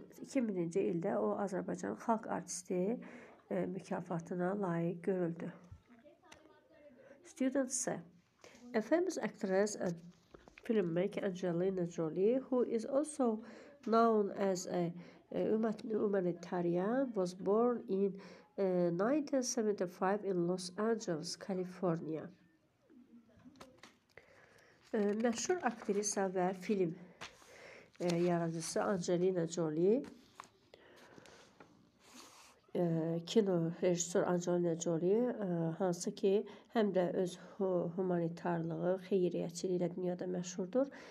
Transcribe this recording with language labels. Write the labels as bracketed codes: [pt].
[az] 2000-ci ildə o Azərbaycan xalq artisti mükafatına layiq görüldü. [en] Student C. A famous actress and filmmaker Angelina Jolie, who is also known as a humanitarian, was born in 1975 in Los Angeles, California. [az] Məşhur aktrisa və film yaradıcısı Angelina Jolie, kino rejissor Angelina Jolie, hansı ki həm də öz humanitarlığı, xeyriyyəçiliyi ilə dünyada məşhurdur.